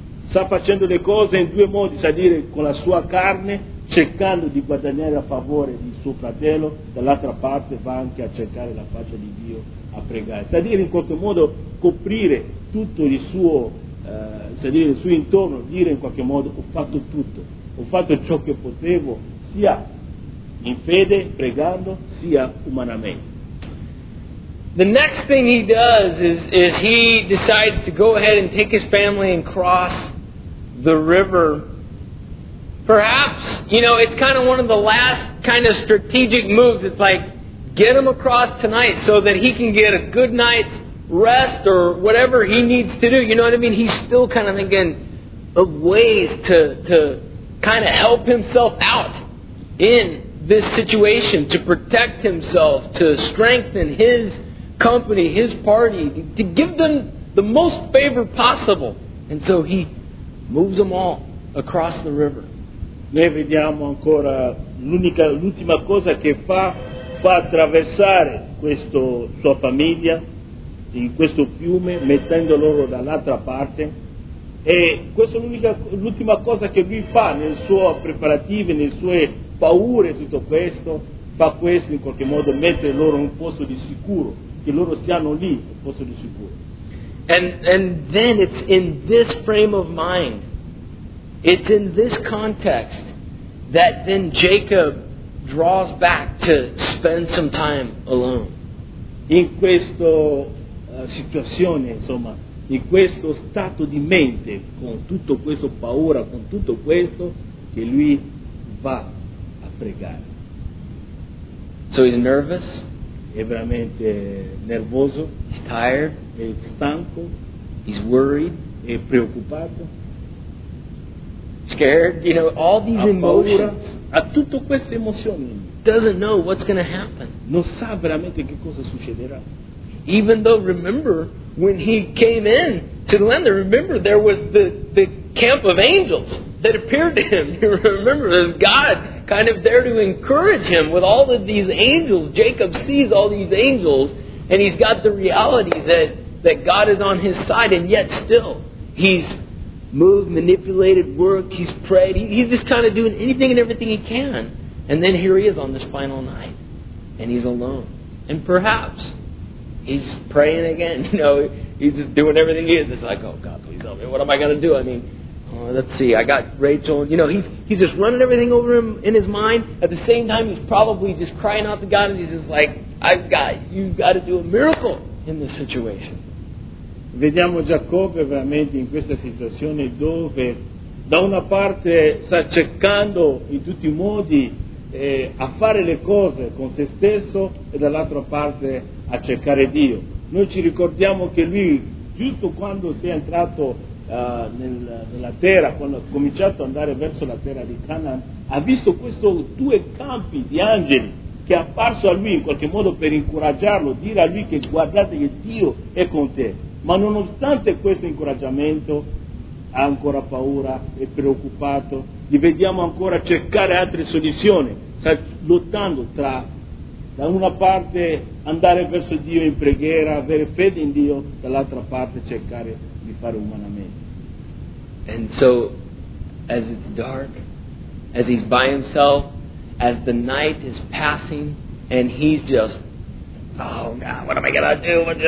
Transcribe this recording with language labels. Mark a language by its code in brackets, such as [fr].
[it] Sta facendo le cose in due modi, cioè dire con la sua carne, cercando di guadagnare a favore di suo fratello, dall'altra parte va anche a cercare la faccia di Dio, a pregare. Cioè dire in qualche modo coprire tutto il suo, cioè dire il suo intorno, dire in qualche modo ho fatto tutto, ho fatto ciò che potevo, sia in fede, pregando, sia umanamente. [en] The next thing he does is he decides to go ahead and take his family and cross the river. Perhaps, you know, it's kind of one of the last kind of strategic moves. It's like, get him across tonight so that he can get a good night's rest or whatever he needs to do. You know what I mean? He's still kind of thinking of ways to kind of help himself out in this situation, to protect himself, to strengthen his company, his party, to give them the most favor possible. And so he moves them all across the river. [it] Noi vediamo ancora l'ultima cosa che fa attraversare questa sua famiglia in questo fiume, mettendo loro dall'altra parte. E questa è l'ultima cosa che lui fa nel suo preparativo, nelle sue paure, tutto questo, fa questo in qualche modo, mettere loro in un posto di sicuro. Che loro siano lì, un posto di sicuro. [en] And then it's in this frame of mind, it's in this context that then Jacob draws back to spend some time alone. [it] In questa situazione, insomma, in questo stato di mente, con tutto questo paura, con tutto questo, che lui va a pregare. [en] So he's nervous. [it] È veramente nervoso. [en] He's tired. [it] È stanco. [en] He's worried. [it] È preoccupato. [en] Scared, you know, all these emotions. [it] A tutte queste emozioni. [en] Doesn't know what's going to happen. [it] Non sa veramente che cosa succederà. [en] Even though, remember, when he came in to the land, remember, there was the camp of angels that appeared to him. You remember, there's God kind of there to encourage him with all of these angels. Jacob sees all these angels, and he's got the reality that God is on his side, and yet still, he's moved, manipulated, worked, he's prayed, he's just kind of doing anything and everything he can. And then here he is on this final night, and he's alone. And perhaps he's praying again, you know, he's just doing everything he is. It's like, oh God, please help me, what am I going to do? I mean, let's see, I got Rachel, you know, he's just running everything over him in his mind. At the same time, he's probably just crying out to God, and he's just like, you've got to do a miracle in this situation. [it] vediamo Giacobbe veramente in questa situazione dove da una parte sta cercando in tutti i modi a fare le cose con se stesso e dall'altra parte a cercare Dio. Noi ci ricordiamo che lui, giusto quando si è entrato nella terra, quando ha cominciato ad andare verso la terra di Canaan, ha visto questi due campi di angeli che è apparso a lui in qualche modo per incoraggiarlo, dire a lui che guardate che Dio è con te. Ma nonostante questo incoraggiamento ha ancora paura, è preoccupato, gli vediamo ancora cercare altre soluzioni, sta lottando tra da una parte andare verso Dio in preghiera, avere fede in Dio, dall'altra parte cercare di fare umanamente. [en] And so as it's dark, as he's by himself, as the night is passing and he's just, oh God, what am I gonna do?